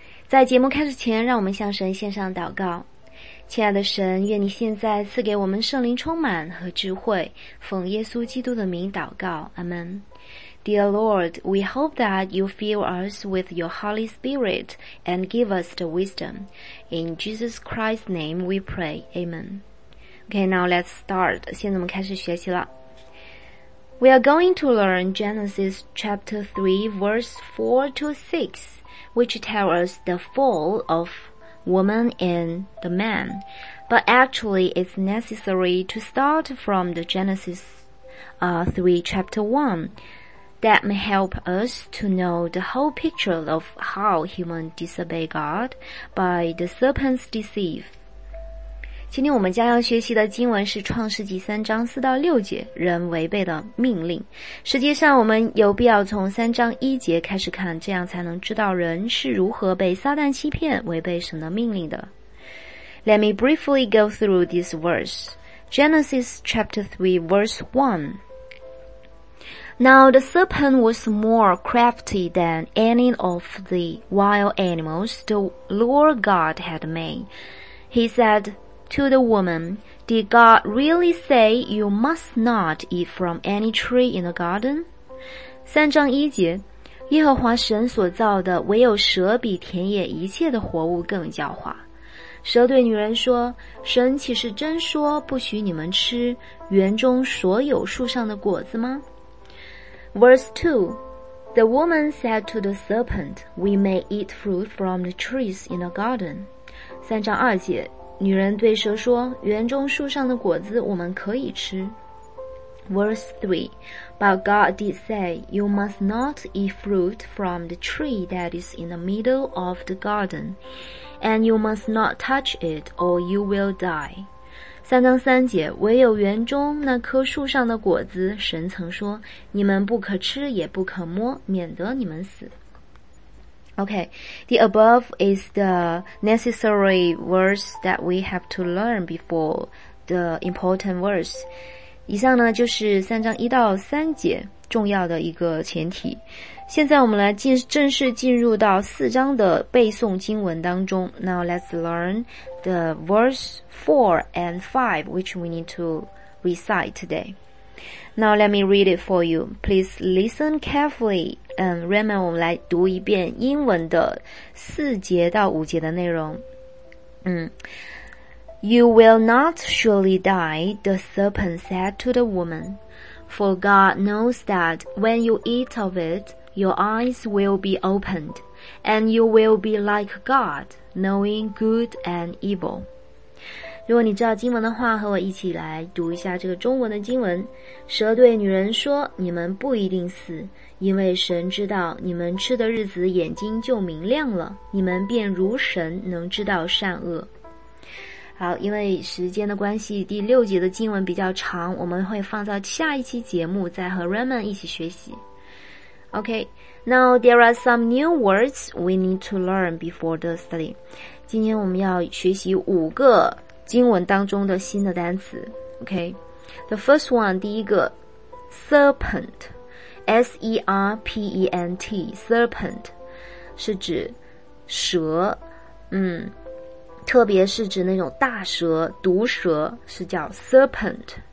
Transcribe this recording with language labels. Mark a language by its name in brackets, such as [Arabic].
[Chinese] 在节目开始前，让我们向神献上祷告。亲爱的神，愿你现在赐给我们圣灵充满和智慧，奉耶稣基督的名祷告。 [English] Amen. Dear Lord, we hope that you fill us with your Holy Spirit and give us the wisdom. In Jesus Christ's name we pray. Amen. Okay, now let's start. [Chinese] 现在我们开始学习了。 [English] We are going to learn Genesis chapter 3 verse 4 to 6, which tell us the fall of woman and the man. But actually, it's necessary to start from the Genesis 3 chapter 1. That may help us to know the whole picture of how humans disobey God by the serpent's deceit. [Chinese] 今天我们将要学习的经文是创世纪三章四到六节，人违背的命令。实际上我们有必要从三章一节开始看，这样才能知道人是如何被撒旦欺骗，违背神的命令的。 [English] Let me briefly go through this verse. Genesis chapter 3 verse 1. Now the serpent was more crafty than any of the wild animals the Lord God had made. He said to the woman, Did God really say you must not eat from any tree in the garden? [Chinese] 三章一节，耶和华神所造的唯有蛇比田野一切的活物更狡猾。蛇对女人说，神岂是真说不许你们吃园中所有树上的果子吗？ [English] Verse 2, the woman said to the serpent, We may eat fruit from the trees in the garden. [Chinese] 三章二节，女人对蛇说，园中树上的果子我们可以吃。 [English] Verse 3, but God did say, You must not eat fruit from the tree that is in the middle of the garden, and you must not touch it or you will die. [Chinese] 三章三节，唯有园中那棵树上的果子，神曾说，你们不可吃，也不可摸，免得你们死。 [English] Okay, the above is the necessary verse that we have to learn before the important verse. [Chinese] 以上呢，就是三章一到三节重要的一个前提。现在我们来正式进入到四章的背诵经文当中。 [English] Now let's learn the verse 4 and 5 which we need to recite today. Now let me read it for you. Please listen carefully. [Chinese] Raymond, 我们来读一遍英文的四节到五节的内容。 [English] You will not surely die, the serpent said to the woman. For God knows that when you eat of it,Your eyes will be opened, and you will be like God, knowing good and evil. [Chinese] 如果你知道经文的话，和我一起来读一下这个中文的经文。蛇对女人说，你们不一定死，因为神知道你们吃的日子眼睛就明亮了，你们便如神能知道善恶。好，因为时间的关系，第六节的经文比较长，我们会放到下一期节目再和 Raymond 一起学习。 [English] Okay, now there are some new words we need to learn before the study. [Chinese] 今天我们要学习五个经文当中的新的单词。 [English] Okay, the first one, [Chinese] 第一个 serpent, S-E-R-P-E-N-T, serpent, 是指蛇，特别是指那种大蛇、毒蛇，是叫 serpent.